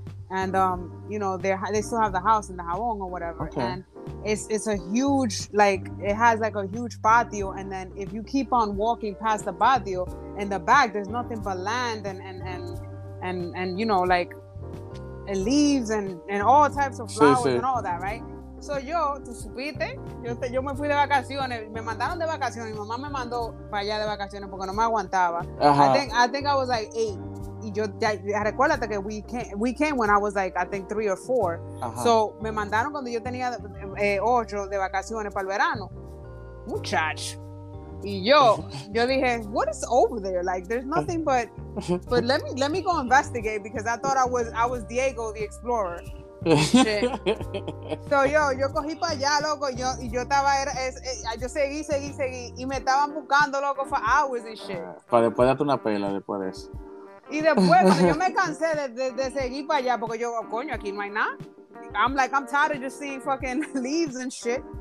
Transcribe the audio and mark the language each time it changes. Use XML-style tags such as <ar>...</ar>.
<en>And, you know, they still have the house in Dajabón or whatever. Okay. And it's a huge, like, it has like a huge patio. And then if you keep on walking past the patio, in the back, there's nothing but land and you know, like, leaves and all types of flowers,</en> <es>sí, sí,</es> <en>and all that, right?</en> <es>So yo, tú supiste, yo me fui de vacaciones, me mandaron de vacaciones, mi mamá me mandó para allá de vacaciones porque no me aguantaba. Uh-huh.</es> <en>I think I was like 8.</en> <es>Y yo, ya, recuérdate que</es> <en>we came when I was like, I think 3 or 4. Uh-huh.</en> <es>So me mandaron cuando yo tenía 8 de vacaciones para el verano. Muchacho. Y yo dije,</es> <en>what is over there? Like, there's nothing but let me go investigate, because I thought I was Diego the Explorer.</en> <es>Shit. So yo cogí para allá, loco, y yo estaba, yo seguí, y me estaban buscando, loco,</es> <en>for hours and shit.</en> <es>Para después darte una pela, después de eso. Y después, cuando yo me cansé de seguir para allá, porque yo, oh, coño, aquí no hay nada.</es> <en>I'm like, I'm tired of just seeing fucking leaves and shit.</en>